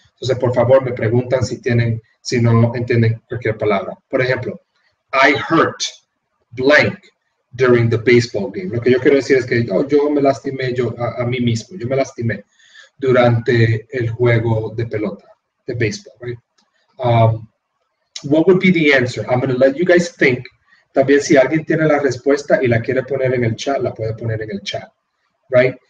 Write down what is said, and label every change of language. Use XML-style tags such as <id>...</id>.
<es>Entonces, por favor, me preguntan si no entienden cualquier palabra. Por ejemplo,</es> <en>I hurt blank during the baseball game.</en> <es>Lo que yo quiero decir es que yo me lastimé a mí mismo. Yo me lastimé durante el juego de pelota, de baseball, right?</es> <en>What would be the answer? I'm going to let you guys think.</en> <es>También si alguien tiene la respuesta y la quiere poner en el chat, la puede poner en el chat, right?</es>